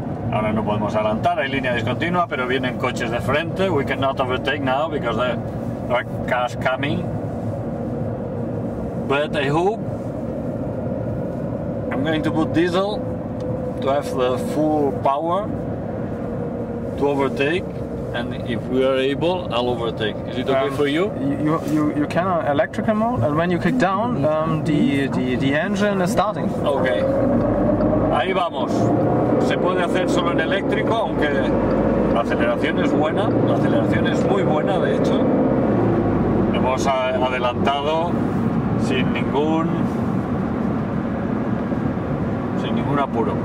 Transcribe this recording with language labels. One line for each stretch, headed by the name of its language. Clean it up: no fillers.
Spanish: Ahora no podemos adelantar, hay línea discontinua, pero vienen coches de frente.
English: We cannot overtake now because there are cars coming. But I hope I'm going to put diesel to have the full power to overtake. And if we are able, I'll overtake. Is it okay for you? You can on electrical mode, and when you kick down, the engine is starting.
Spanish: Okay. Ahí vamos. Se puede hacer solo en eléctrico, aunque la aceleración es buena. La aceleración es muy buena, de hecho. Hemos adelantado sin ningún apuro.